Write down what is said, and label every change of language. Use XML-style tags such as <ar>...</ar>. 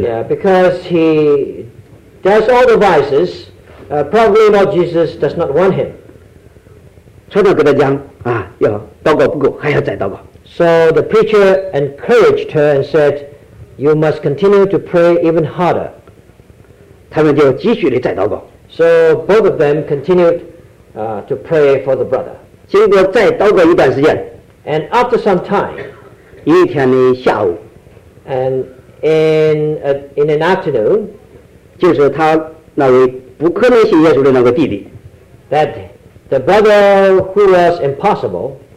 <en>Yeah, because he does all the vices, probably Lord Jesus does not want him.</en> <zh>传道跟他讲，要祷告不够，还要再祷告。</zh> <en>So the preacher encouraged her and said, you must continue to pray even harder.</en> <zh>他们就继续地再祷告。</zh> <en>So both of them continued to pray for the brother.</en> <zh>经过再祷告一段时间。</zh> <en>And after some time,</en> <zh>有一天的下午,</zh> <en>and in an afternoon,</en> <zh>就是他那位不可能信耶稣的那个弟弟,</zh> <en>that the brother who was impossible,</en>